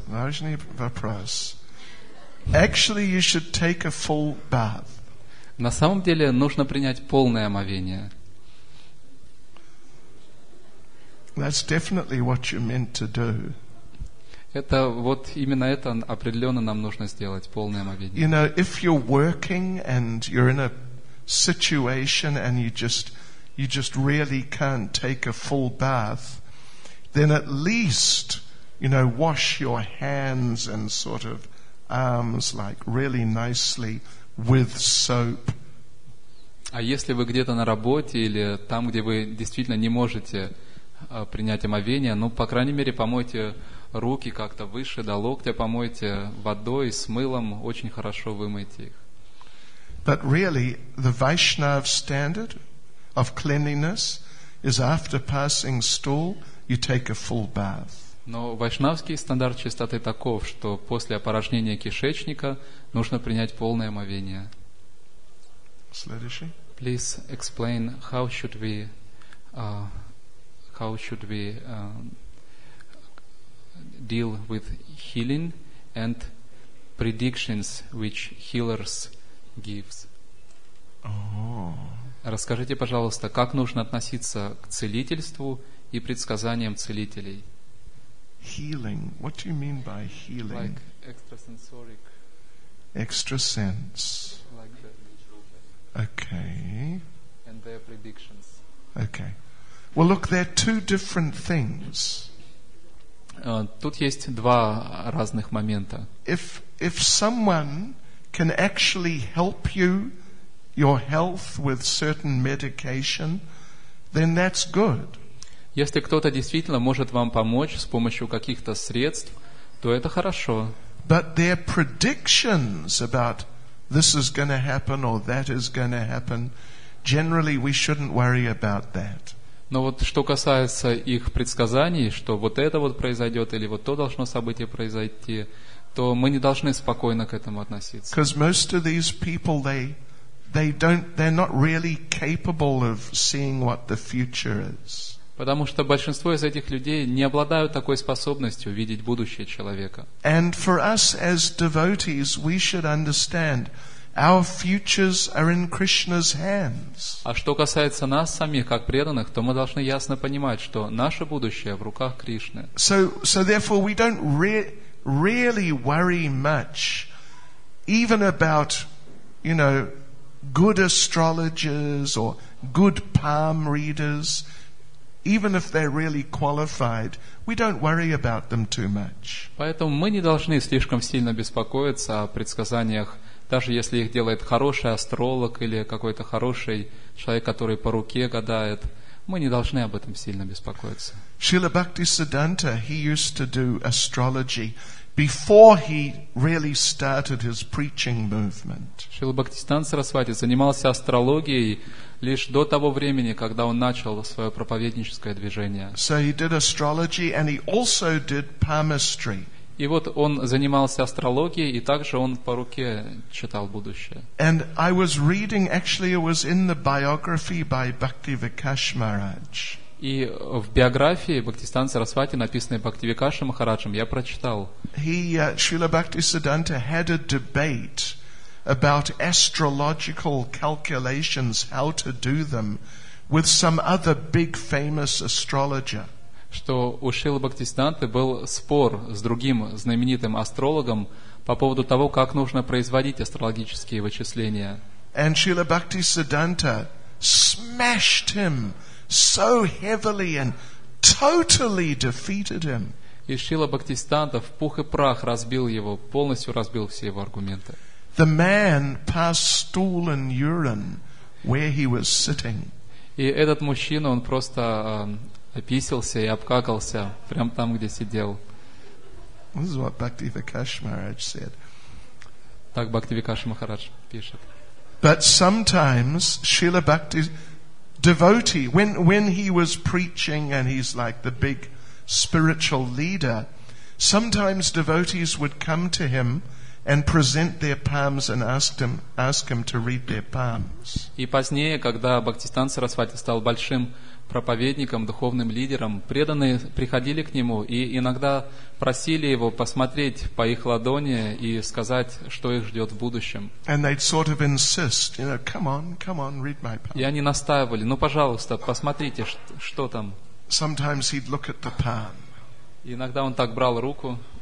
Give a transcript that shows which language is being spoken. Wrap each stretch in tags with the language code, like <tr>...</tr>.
<ru>Важный вопрос.</ru> <en>Actually, you should take a full bath.</en> <ru>На самом деле нужно принять полное омовение.</ru> <en>That's definitely what you meant to do.</en> <ru>Это вот именно это определенно нам нужно сделать, полное омовение.</ru> <en>You know, if you're working and you're in a situation and you just really can't take a full bath, then at least, you know, wash your hands and sort of arms like really nicely with soap.</en> <ru>А если вы где-то на работе или там, где вы действительно не можете принять омовение, ну, по крайней мере, помойте руки как-то выше, до локтя помойте водой, с мылом, очень хорошо вымойте их.</ru> <en>But really, the Vaishnav standard of cleanliness is after passing stool, you take a full bath.</en> <ru>Но вайшнавский стандарт чистоты таков, что после опорожнения кишечника нужно принять полное омовение. Следующий.</ru> <en>Please explain how should we deal with healing and predictions which healers gives.</en> <ru>Расскажите, пожалуйста, как нужно относиться к целительству и предсказаниям целителей.</ru> <en>Healing. What do you mean by healing? Like extrasensoric. Extra sense. Like the okay. And their predictions. Okay. Well, look, they're two different things.</en> <ru>Тут есть два разных момента.</ru> <en>If someone can actually help you your health with certain medication, then that's good.</en> <ru>Если кто-то действительно может вам помочь с помощью каких-то средств, то это хорошо.</ru> <en>But their predictions about this is going to happen or that is going to happen, generally we shouldn't worry about that.</en> <ru>Но вот что касается их предсказаний, что вот это вот произойдет или вот то должно событие произойти, то мы не должны спокойно к этому относиться.</ru> <en>Because most of these people, they're not really capable of seeing what the future is.</en> <ru>Потому что большинство из этих людей не обладают такой способностью видеть будущее человека.</ru> <en>And for us as devotees, we should understand our futures are in Krishna's hands.</en> <ru>А что касается нас самих, как преданных, то мы должны ясно понимать, что наше будущее в руках Кришны.</ru> <en>So therefore we don't really worry much even about, you know, good astrologers or good palm readers. Even if they're really qualified, we don't worry about them too much.</en> <ru>Поэтому мы не должны слишком сильно беспокоиться о предсказаниях, даже если их делает хороший астролог или какой-то хороший человек, который по руке гадает. Мы не должны об этом сильно беспокоиться.</ru> <en>Srila Bhaktisiddhanta, he used to do astrology before he really started his preaching movement.</en> <ru>Srila Bhaktisiddhanta Sarasvati занимался астрологией лишь до того времени, когда он начал свое проповедническое движение.</ru> <en>So he did astrology and he also did palmistry.</en> <ru>И вот он занимался астрологией, и также он по руке читал будущее.</ru> <en>And I was reading, actually it was in the biography by Bhaktivikash Maharaj.</en> <ru>И в биографии Бхактисиддханты Сарасвати, написанной Бхактивикашей Махараджем, я прочитал.</ru> <en>Srila Bhaktisiddhanta had a debate about astrological calculations, how to do them, with some other big famous astrologer.</en> <ru>Что у Шрилы Бхактисиддханты был спор с другим знаменитым астрологом по поводу того, как нужно производить астрологические вычисления.</ru> <en>And Srila Bhakti Siddhanta smashed him so heavily and totally defeated him.</en> <ru>И Шрила Бхактисиддханта в пух и прах разбил его, полностью разбил все его аргументы.</ru> <en>The man passed stool and urine where he was sitting.</en> <ru>И этот мужчина, он просто описался и обкакался прямо там, где сидел.</ru> <en>This is what Bhaktivikash Maharaj said.</en> <ru>Так Бхактивикаш Махарадж пишет.</ru> <en>But sometimes Srila Bhakti devotee, when he was preaching and he's like the big spiritual leader, sometimes devotees would come to him and present their palms and ask him to read their palms.</en> <ru>И позднее, когда Бхактисиддханта Сарасвати стал большим проповедником, духовным лидером, преданные приходили к нему и иногда просили его посмотреть по их ладони и сказать, что их ждет в будущем.</ru> <en>And they'd sort of insist, you know, come on, read my palm.</en> <ru>И они настаивали, ну, пожалуйста, посмотрите, что там.</ru> <en>Sometimes he'd look at the palm.</en> <ru>Иногда он так брал руку.</ru>